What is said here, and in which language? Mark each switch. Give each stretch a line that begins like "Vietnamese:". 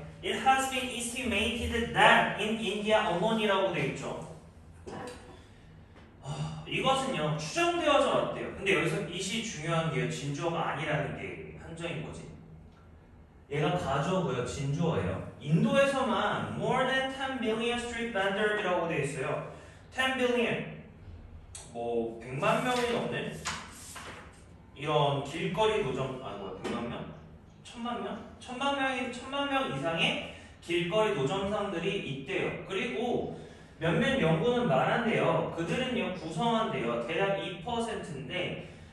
English: It has been estimated that in India alone
Korean: 이라고 되어있죠. 이것은요 추정되어져 왔대요. 근데 여기서 it이 중요한 게요, 진주어가 아니라는 게 함정인 거지. 얘가 가져오고요, 진주어예요. 인도에서만
English: more than 10 million street vendors
Korean: 이라고 되어있어요. 10 billion 뭐 100만 명이 넘는 이런 길거리 노점, 천만 명 이상의 길거리 노점상들이 있대요. 그리고 몇몇 연구는 말한대요. 그들은요 구성한대요. 대략 2%인데